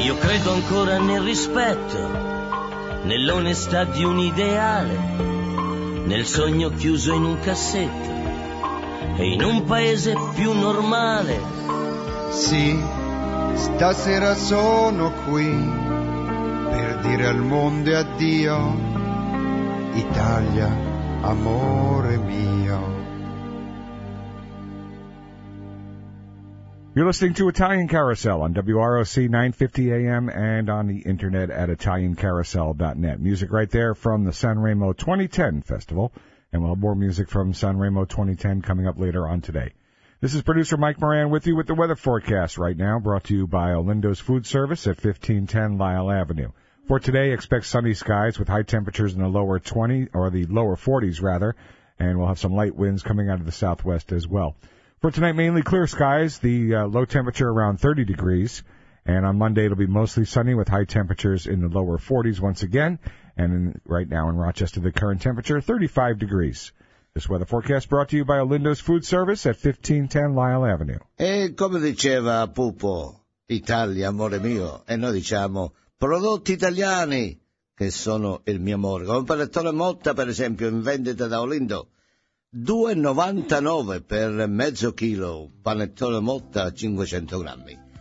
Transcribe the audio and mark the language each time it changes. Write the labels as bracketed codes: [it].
[it] Io credo ancora nel rispetto, nell'onestà di un ideale, nel sogno chiuso in un cassetto e in un paese più normale. Sì, stasera sono qui per dire al mondo addio, Italia, amore mio. [en] You're listening to Italian Carousel on WROC 950 AM and on the internet at italiancarousel.net. Music right there from the Sanremo 2010 Festival. And we'll have more music from Sanremo 2010 coming up later on today. This is producer Mike Moran with you with the weather forecast right now, brought to you by Olindo's Food Service at 1510 Lyle Avenue. For today, expect sunny skies with high temperatures in the lower 40s, and we'll have some light winds coming out of the southwest as well. For tonight, mainly clear skies, the low temperature around 30 degrees, and on Monday it'll be mostly sunny with high temperatures in the lower 40s once again, and right now in Rochester, the current temperature, 35 degrees. This weather forecast brought to you by Olindo's Food Service at 1510 Lyle Avenue. [it] E come diceva Pupo, Italia, amore mio, e noi diciamo prodotti italiani, che sono il mio amore. Come panettone Motta, per esempio, in vendita da Olindo, 2,99 per mezzo chilo, panettone Motta 500 grammi.